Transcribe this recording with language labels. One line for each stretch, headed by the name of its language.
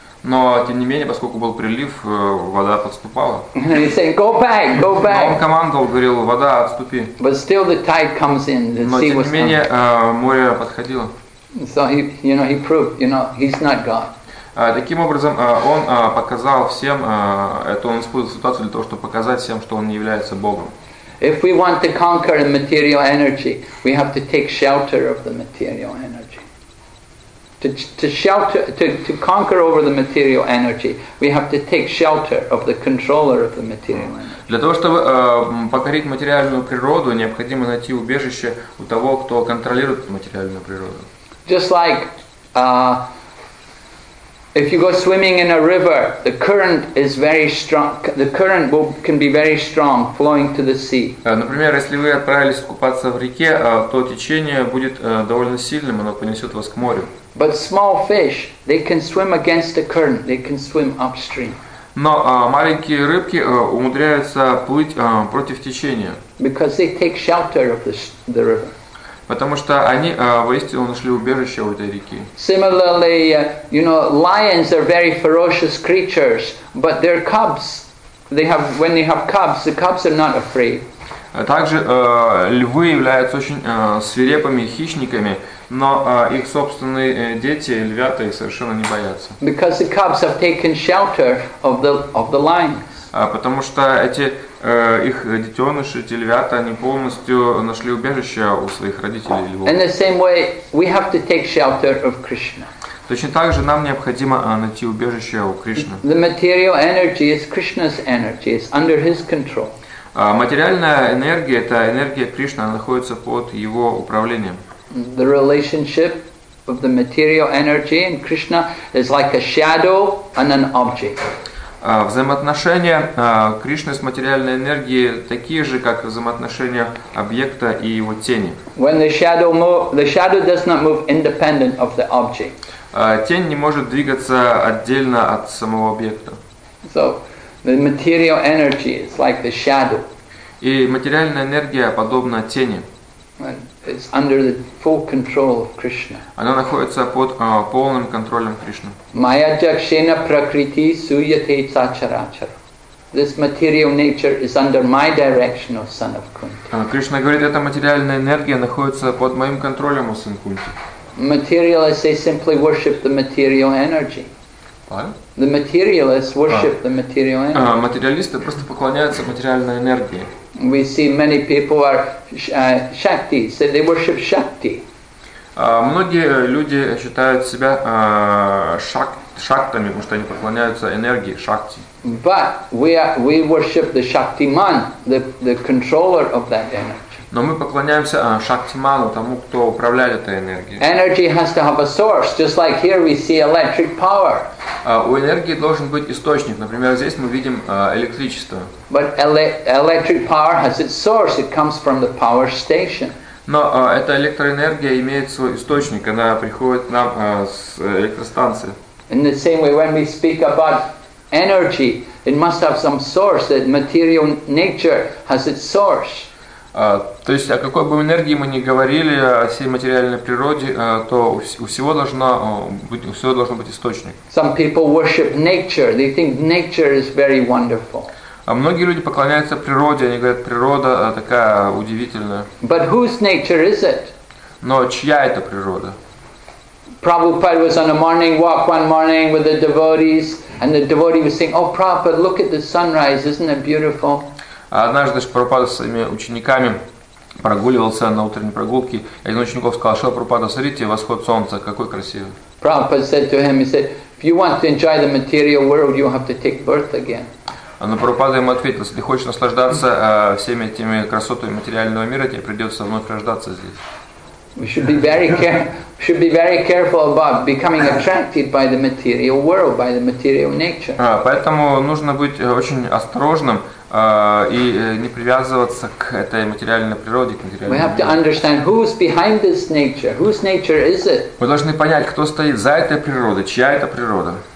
Russian: Но, тем не менее, поскольку был прилив, вода подступала.
English: He said, go back, go back.
Russian: Но он командовал, говорил, вода, отступи.
English: But still the tide comes in, the
Russian: Но,
English: sea
Russian: тем не менее,
English: coming.
Russian: Море подходило.
English: So he, you know, he proved, you know, he's not God.
Russian: Таким образом, он показал всем, это он использовал ситуацию для того, чтобы показать всем, что он не является Богом.
English: If we want to conquer the material energy, we have to take shelter of the material energy. To shelter, to conquer over the material energy, we have to take shelter of the controller of the material energy.
Russian: Для того чтобы покорить материальную природу, необходимо найти убежище у того, кто контролирует материальную природу.
English: Just like if you go swimming in a river, the current is very strong. The current can be very strong, flowing to the sea.
Russian: Например, если вы отправились купаться в реке, то течение будет довольно сильным, оно понесет вас к морю.
English: But small fish, they can swim against the current, they can swim upstream.
Russian: Но маленькие рыбки умудряются плыть против течения.
English: Because they take shelter of the river.
Russian: Потому что они воистину нашли убежище у этой реки.
English: Similarly, you know, lions are very ferocious creatures, but their cubs, when they have cubs, the cubs are not afraid.
Russian: Также львы являются очень свирепыми хищниками, но их собственные дети, львята, их совершенно не боятся.
English: Because the cubs have taken shelter of the lions.
Russian: Потому что эти их детеныши, эти львята, они полностью нашли убежище у своих родителей львов.
English: In the same way, we have to take shelter of Krishna.
Russian: Точно так же нам необходимо найти убежище у Кришны.
English: The material energy is Krishna's energy, it's under his control.
Russian: Материальная энергия, это энергия Кришны, она находится под его управлением.
English: The relationship of the material energy and Krishna is like a shadow and an object.
Russian: Взаимоотношения Кришны с материальной энергией такие же, как взаимоотношения объекта и его тени.
English: When the shadow does not move independent of the object.
Russian: Тень не может двигаться отдельно от самого объекта.
English: So, the material energy is like the shadow.
Russian: И материальная энергия подобна тени.
English: It's under the full control of Krishna.
Russian: Она находится под полным контролем Кришны.
Sanskrit: Maya jakshena prakriti suyate sacharachar.
English: This material nature is under my direction, O son of Kunti.
Russian: Кришна говорит, эта материальная энергия находится под моим контролем, О сын Кунти.
English: Materialists, they simply worship the material energy. What? The materialists worship the material energy.
Russian: Материалисты просто поклоняются материальной энергии.
English: We see many people are Shakti, so they worship Shakti.
Russian: Многие люди считают себя шактами, потому что они поклоняются энергии Шакти.
English: But we worship the Shaktiman, the controller of that energy.
Russian: Но мы поклоняемся Шактиману, тому, кто управляет этой энергией.
English: Energy has to have a source, just like here we see electric power.
Russian: У энергии должен быть источник. Например, здесь мы видим электричество.
English: But electric power has its source. It comes from the power station.
Russian: Но эта электроэнергия имеет свой источник. Она приходит нам с электростанции.
English: In the same way, when we speak about energy, it must have some source. That material nature has its source.
Russian: То есть о какой бы энергии мы ни говорили, о всей материальной природе, то у всего должно быть источник.
English: Some people worship nature. They think nature is very wonderful.
Russian: Многие люди поклоняются природе, они говорят, природа такая удивительная.
English: But whose nature is it?
Russian: Но чья это природа?
English: Prabhupada was on a morning walk one morning with the devotees, and the devotee was saying, "Oh, Prabhupada, look at the sunrise, isn't it beautiful?"
Russian: Однажды Прабхупада с своими учениками прогуливался на утренней прогулке, и один из учеников сказал: "Шрила Прабхупада, смотрите, восход солнца, какой красивый!"
English: Prabhupada said to him, "He said, if you want to enjoy the material world, you have to take birth again."
Russian: Но Прабхупада ему ответил: "Если хочешь наслаждаться всеми этими красотами материального мира, тебе придется вновь рождаться здесь."
English: We should be very careful about becoming attracted by the material world, by the material nature.
Russian: Поэтому нужно быть очень осторожным и не привязываться к этой материальной природе, к материальному.
English: We have to understand who's behind this nature. Whose nature is it?
Russian: Мы должны понять, кто стоит за этой природой, чья это природа.